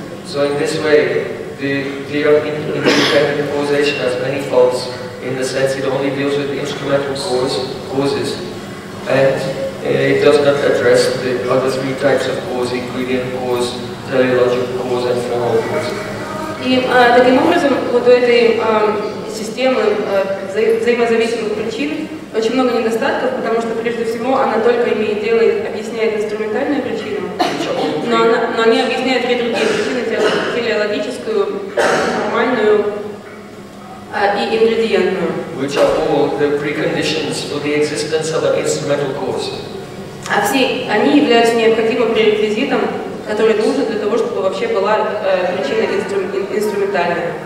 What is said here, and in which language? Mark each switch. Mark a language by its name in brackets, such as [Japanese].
[English] So in this way, the theory of independent causation has many faults in the sense it only deals with instrumental causes and it does not address the other three types of cause: ingredient cause, teleological cause, and formal cause. [Russian] И таким образом вот у этой системы взаимозависимых причин очень много недостатков, потому что прежде всего она только имеет дело и объясняет инструментальную причину, но не объясняет две другие причины, телеологическую, формальную и ингредиентную. [English] Which are all the preconditions for the existence of an instrumental cause. [Russian] А все они являются необходимым пререквизитом, который нужен для того, чтобы вообще была причина инструментальная.